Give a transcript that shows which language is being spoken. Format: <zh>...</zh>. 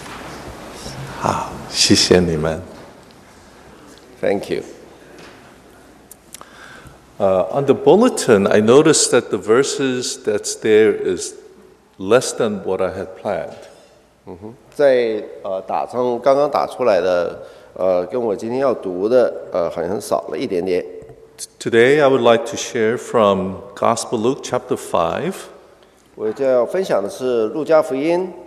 <en>Two rows.</en> <zh>好, 谢谢你们.</zh> <en>Thank you. On the bulletin, I noticed that the verses that's there is less than what I had planned.</en> <zh>在打上刚刚打出来的，跟我今天要读的，好像少了一点点。</zh> <en>Today I would like to share from Gospel Luke chapter 5.</en> <zh>我就要分享的是路加福音</zh>